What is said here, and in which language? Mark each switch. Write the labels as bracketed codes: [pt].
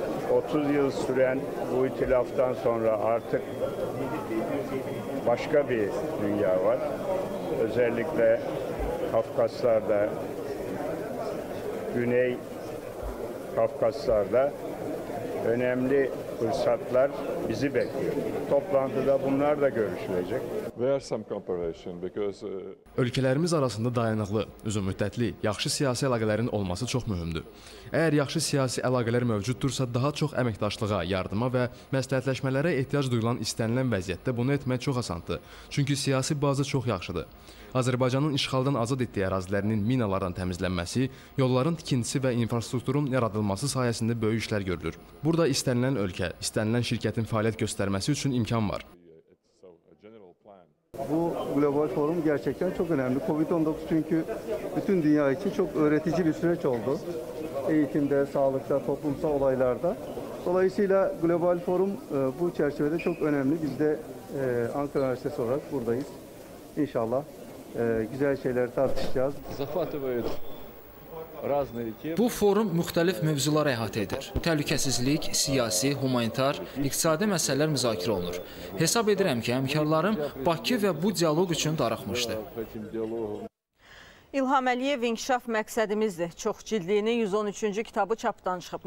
[tr] 30 yıl süren bu itilaftan sonra artık başka bir dünya var. Özellikle Kafkaslar'da, Güney Kafkaslar'da önemli fırsatlar bizi bekliyor. Toplantıda bunlar da görüşülecek. [az] Ölkələrimiz arasında dayanıqlı, uzun müddətli, yaxşı siyasi əlaqələrin olması çox mühümdür. Əgər yaxşı siyasi əlaqələr mövcuddursa, daha çox əməkdaşlığa, yardıma və məsləhətləşmələrə ehtiyac duyulan istənilən vəziyyətdə bunu etmək çox asandır. Çünki siyasi baza çox yaxşıdır. Azərbaycanın işğaldan azad etdiyi ərazilərinin minalardan təmizlənməsi, yolların tikintisi və infrastrukturun yaradılması sayəsində böyük işlər görülür. Burada istənilən ölkə, istənilən şirkətin fəaliyyət göstərməsi üçün imkan var. [tr] Bu global forum gerçekten çok önemli. COVID-19 çünkü bütün dünya için çok öğretici bir süreç oldu. Eğitimde, sağlıkta, toplumsal olaylarda. Dolayısıyla global forum bu çerçevede çok önemli. Biz de Ankara Üniversitesi olarak buradayız. İnşallah güzel şeyler tartışacağız. Zafat Bey'in. [az] Bu forum müxtəlif mövzular əhatə edir. Təhlükəsizlik, siyasi, humanitar, iqtisadi məsələlər müzakirə olunur. Hesab edirəm ki, həmkarlarım Bakı və bu dialoq üçün darıxmışdı. İlham Əliyev İnkişaf Məqsədimizdir. Çox cildliyinin 113-cü kitabı çapdan çıxıb.